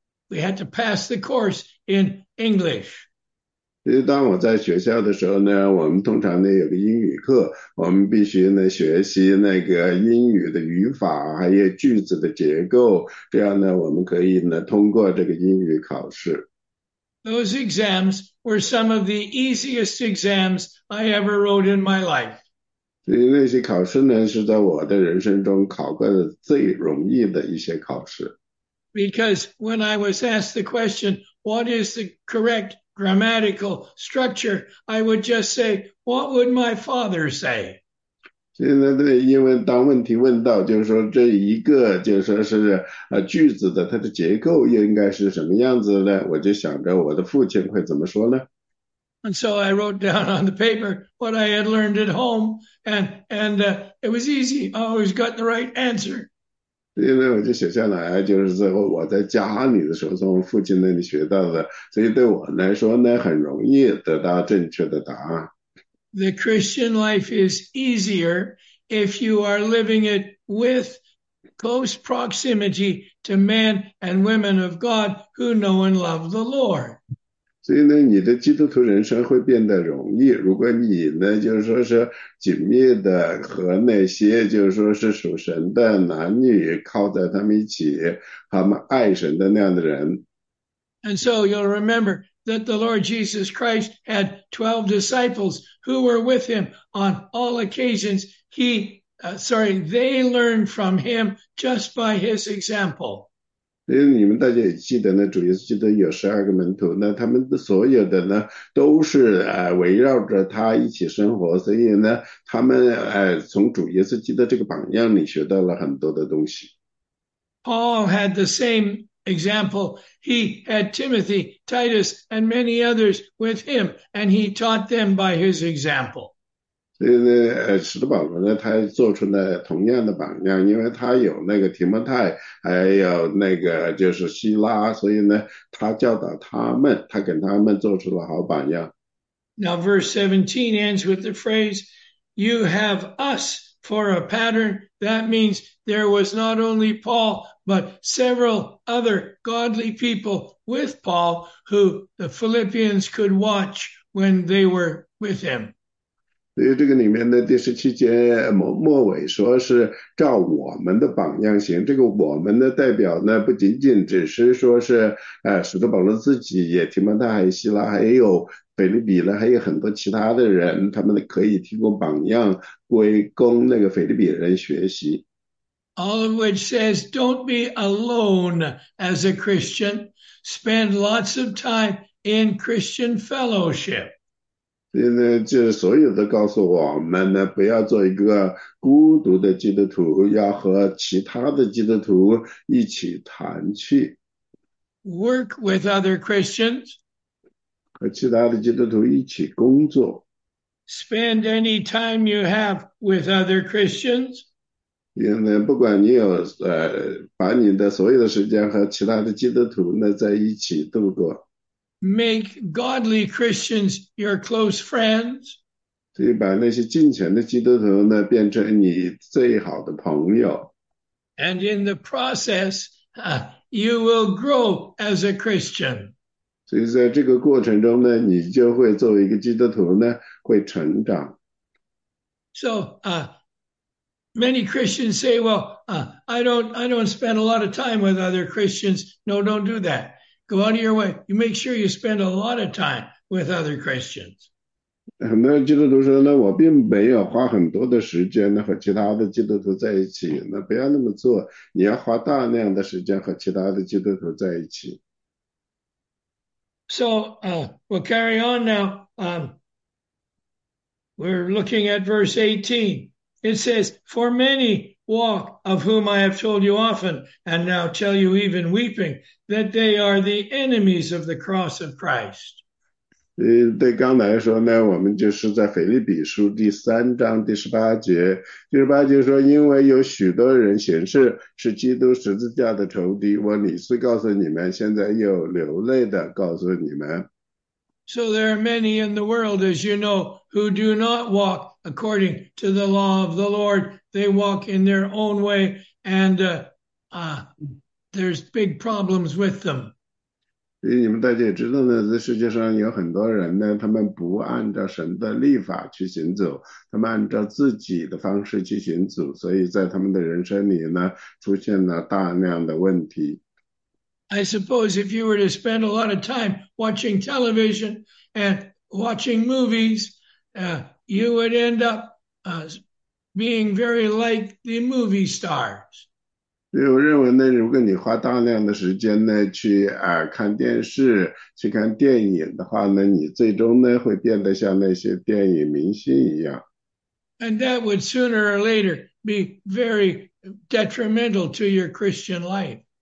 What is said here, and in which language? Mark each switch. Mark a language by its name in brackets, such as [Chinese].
[English] We had to pass the course in English. [Chinese] 其实当我在学校的时候呢，我们通常呢有个英语课，我们必须呢学习那个英语的语法，还有句子的结构，这样呢我们可以呢通过这个英语考试。 [English] Those exams were some of the easiest exams I ever wrote in my life. [Chinese] 所以那些考试呢是在我的人生中考过的最容易的一些考试。 [English] Because when I was asked the question, what is the correct grammatical structure? I would just say, what would my father say? [Chinese] 现在对，因为当问题问到，就是说这一个，就是说是句子的它的结构应该是什么样子呢？我就想着我的父亲会怎么说呢？ [English] And so I wrote down on the paper what I had learned at home, and it was easy. I always got the right answer. [Chinese] 因为我就写下来，就是在我在家里的时候，从父亲那里学到的，所以对我来说呢，很容易得到正确的答案。 [English] The Christian life is easier if you are living it with close proximity to men and women of God who know and love the Lord. [Chinese] 所以呢，你的基督徒人生会变得容易。如果你呢，就是说是紧密的和那些就是说是属神的男女靠在他们一起，他们爱神的那样的人。 [English] And so you'll remember that the Lord Jesus Christ had 12 disciples who were with him on all occasions. They learned from him just by his example. [Chinese] 因为你们大家也记得呢，主耶稣基督有12个门徒，那他们的所有的呢，都是围绕着他一起生活，所以呢，他们从主耶稣基督这个榜样里学到了很多的东西。 [English] Paul had the same example. He had Timothy, Titus, and many others with him, and he taught them by his example. [Chinese] 所以呢，使徒保罗呢，他做出了同样的榜样，因为他有那个提摩太，还有那个就是希拉，所以呢，他教导他们，他给他们做出了好榜样。 [English] Now, verse 17 ends with the phrase, "You have us for a pattern." That means there was not only Paul, but several other godly people with Paul who the Philippians could watch when they were with him. [Chinese] 所以这个里面的17节末尾说是照我们的榜样行，这个我们的代表呢，不仅仅只是说是，使徒保罗自己也提摩太、希拉，还有腓立比呢，还有很多其他的人，他们可以提供榜样，归供那个腓立比人学习。 [English] All of which says, don't be alone as a Christian. Spend lots of time in Christian fellowship. [Chinese] 所以呢，就是所有的告诉我们呢，不要做一个孤独的基督徒，要和其他的基督徒一起团去， [English] Work with other Christians. [Chinese] 和其他的基督徒一起工作。 [English] Spend any time you have with other Christians. [Chinese] 因为不管你有把你的所有的时间和其他的基督徒呢在一起度过。 [English] Make godly Christians your close friends. [Chinese] 所以把那些敬虔的基督徒呢，变成你最好的朋友。 [English] And in the process, you will grow as a Christian. [Chinese] 所以在这个过程中呢，你就会作为一个基督徒呢，会成长。 [English] So, many Christians say, well, I don't spend a lot of time with other Christians. No, don't do that. Go out of your way. You make sure you spend a lot of time with other Christians. [Chinese] 很多基督徒说呢，我并没有花很多的时间呢和其他的基督徒在一起。那不要那么做，你要花大量的时间和其他的基督徒在一起。 [English] So we'll carry on now. We're looking at verse 18. It says, "For many walk, of whom I have told you often, and now tell you even weeping, that they are the enemies of the cross of Christ." [Chinese] 对刚才说呢，我们就是在腓立比书第3章第18节，第18节说，因为有许多人行事是基督十字架的仇敌，我屡次告诉你们，现在又流泪的告诉你们。 [English] So there are many in the world, as you know, who do not walk according to the law of the Lord. They walk in their own way, and there's big problems with them. [Chinese] 所以你们大家也知道呢，这世界上有很多人呢，他们不按照神的律法去行走，他们按照自己的方式去行走，所以在他们的人生里呢，出现了大量的问题。 [English] I suppose if you were to spend a lot of time watching television and watching movies, you would end up being very like the movie stars. [Chinese] 所以我认为呢，如果你花大量的时间呢去看电视、去看电影的话呢，你最终呢会变得像那些电影明星一样。 [English] And that would sooner or later be very detrimental to your Christian life.